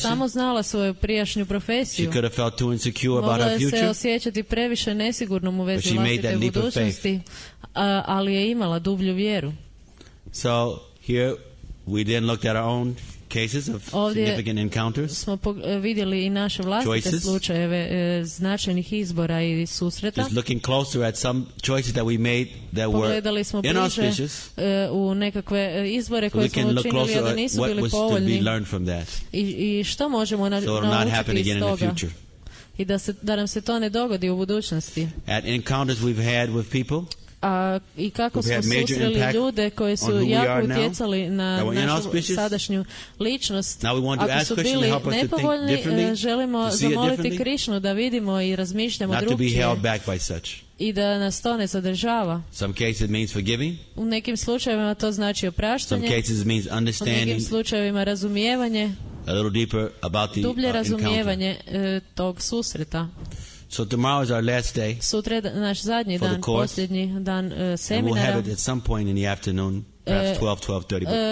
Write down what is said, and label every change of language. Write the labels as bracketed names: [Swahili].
[Croatian] samo znala svoju prijašnju profesiju. [English] She could have felt too insecure about her future. [Croatian] Mogla je se osjećati previše nesigurnom u vezi vlastite budućnosti. Ali je imala dublju vjeru. [English] So here we then looked at our own cases of significant encounters. [Croatian] Smo vidjeli i naše vlastite slučajeve značajnih izbora i susreta. [English] Just looking closer at some choices that we made that were inauspicious. [Croatian] U nekakve izbore koje smo učinili da nisu bili povoljni. [English] What was to be learned from that? [Croatian] I što možemo naučiti iz toga? I da nam se to ne dogodi u budućnosti. [English] At encounters we've had with people. [Croatian] I kako smo susreli ljude koji su jako utjecali na našu sadašnju ličnost. Ako su bili nepovoljni, želimo zamoliti Krišnu da vidimo i razmišljamo drugačije. I da nas to ne zadržava. [English] Some cases means forgiving. [Croatian] U nekim slučajevima to znači opraštanje. [English] Some cases means understanding. [Croatian] U nekim slučajevima razumijevanje. [English] A little deeper about the [Croatian] dublje razumijevanje tog susreta. [English] So tomorrow is our last day. [Croatian] Sutra je naš zadnji dan, posljednji dan seminara. [English] And we'll have it at some point in the afternoon, perhaps 12:30.